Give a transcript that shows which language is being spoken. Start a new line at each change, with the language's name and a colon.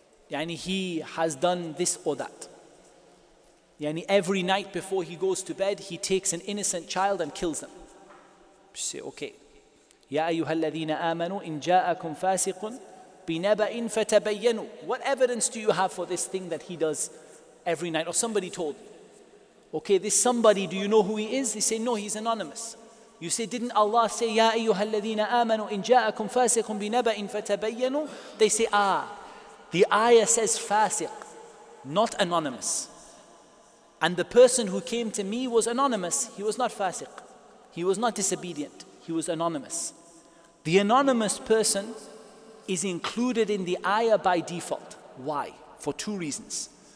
English: Yani he has done this or that. Yani every night before he goes to bed, he takes an innocent child and kills them. You say, okay.
Arabic: يَا أَيُّهَا الَّذِينَ آمَنُوا إِن جَاءَكُمْ فَاسِقٌ بِنَبَئٍ فَتَبَيَّنُوا.
English: What evidence do you have for this thing that he does every night? Or somebody told. Okay, this somebody, do you know who he is? They say, no, he's anonymous. You say, didn't Allah say,
Arabic: يَا أَيُّهَا الَّذِينَ آمَنُوا إِن جَاءَكُمْ فَاسِقٌ بِنَبَئٍ فَتَبَيَّنُوا.
English: They say, ah. The ayah says fasiq, not anonymous. And the person who came to me was anonymous. He was not fasiq. He was not disobedient. He was anonymous. The anonymous person is included in the ayah by default. Why? For two reasons.